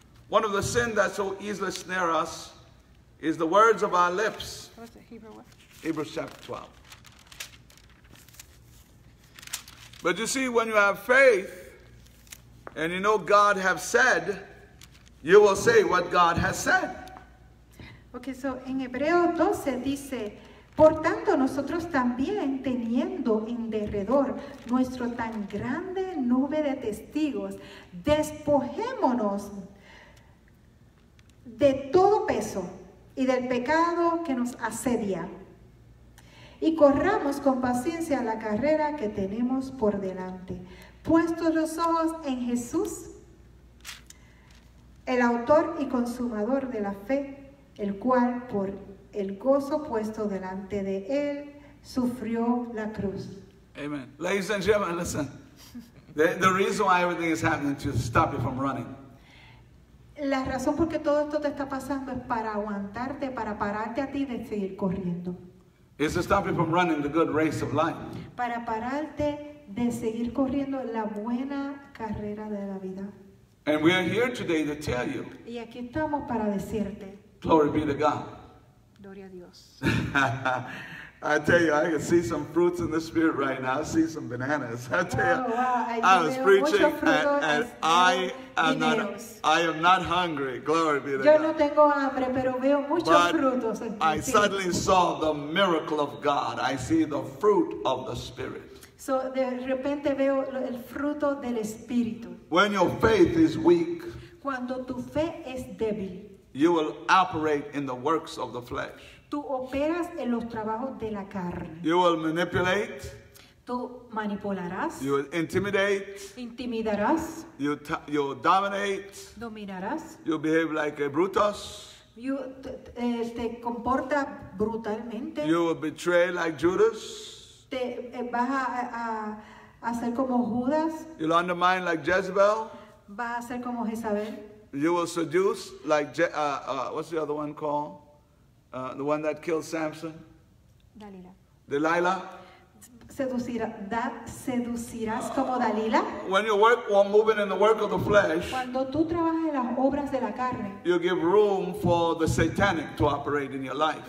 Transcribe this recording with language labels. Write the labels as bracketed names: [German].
[English] One of the sins that so easily snare us is the words of our lips. What's it, Hebrew? Hebrews chapter 12. But you see, when you have faith and you know God has said, you will say what God has said. Okay, so in [Spanish] Hebreo 12 dice, Por tanto, nosotros también, teniendo en derredor nuestro tan grande nube de testigos, despojémonos de todo peso y del pecado que nos asedia. Y corramos con paciencia la carrera que tenemos por delante, puestos los ojos en Jesús, el autor y consumador de la fe, el cual por el gozo puesto delante de él sufrió la cruz. [English] Amen. Ladies and gentlemen, listen. The reason why everything is happening is to stop you from running. [Spanish] La razón por qué todo esto te está pasando es para aguantarte, para pararte a ti de seguir corriendo. [English] It's to stop you from running the good race of life. [Spanish] Para pararte de seguir corriendo la buena carrera de la vida. [English] And we are here today to tell you. [Spanish] Y aquí estamos para decirte. [English] Glory be to God. [Spanish] Gloria a Dios. [English] I tell you, I can see some fruits in the spirit right now. I see some bananas. I tell you, wow, I was preaching, and I am not hungry. Glory be to God. [Spanish] Yo no tengo hambre, pero veo muchos frutos. [English] I suddenly saw the miracle of God. I see the fruit of the Spirit. [Spanish] So de repente veo el fruto del Espíritu. [English] When your faith is weak, [Spanish] cuando tu fe es débil, [English] you will operate in the works of the flesh. [Spanish] Tú operas en los trabajos de la carne. [English] You will manipulate. [Spanish] Tú manipularás. [English] You will intimidate. [Spanish] Intimidarás. [English] You dominate. [Spanish] Dominarás. [English] You behave like a Brutus. [Spanish] Te comporta brutalmente. [English] You will betray like Judas. [Spanish] Vas a ser como Judas. [English] You'll undermine like Jezebel. [Spanish] Vas a ser como Jezabel. [English] You will seduce like what's the other one called? The one that killed Samson? [Spanish] Dalila. [English] Delilah? [Spanish] Seducirás como Dalila? [English] When you work while moving in the work of the flesh, [Spanish] cuando tú trabajas en las obras de la carne, [English] you give room for the satanic to operate in your life.